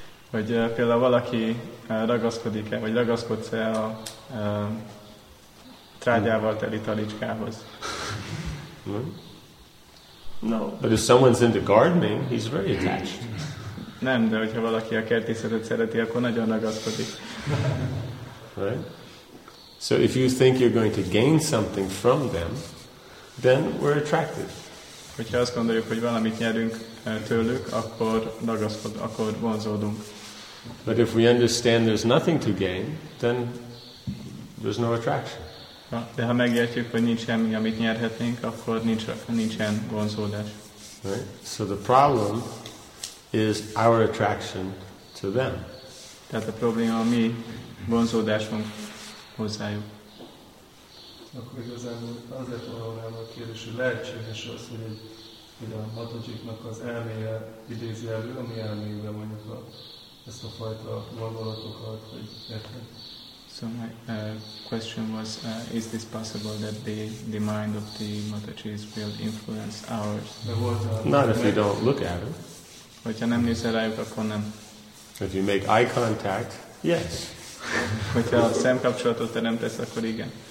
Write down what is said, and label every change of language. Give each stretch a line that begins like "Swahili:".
Hungarian: Hogy például valaki ragaszkodik-e, vagy ragaszkodsz-e a trágyával teli talicskához?
English: No. But if someone's into gardening, he's very attached.
Hungarian: Nem, de hogyha valaki a kertészetet szereti, akkor nagyon ragaszkodik.
English: Right? So if you think you're going to gain something from them, then we're attracted.
Hungarian: Hogyha azt gondoljuk, hogy valamit nyerünk tőlük, akkor ragaszkod, akkor vonzódunk.
English: But if we understand there's nothing to gain, then there's no attraction.
Hungarian: De ha megértjük, hogy nincs semmi, amit nyerhetnénk, akkor nincsen vonzódás.
English: Right? So the problem is our attraction to them.
Hungarian: Tehát a probléma a mi vonzódásunk hozzájuk. Akkor igazából azért valahol a kérdés, hogy lehetséges az, hogy a Matajiknak az elméje idézi elő, a mi elméjében mondjuk ezt a fajta gondolatokat, hogy érted.
English: So my question was, is this possible that the mind of the Matajis will influence ours? Not if you don't look at it.
Hungarian: Hogyha nem nézel rájuk, akkor nem.
English: If you make eye contact, yes.
Hungarian: Hogyha a szemkapcsolatot teremtesz, akkor igen.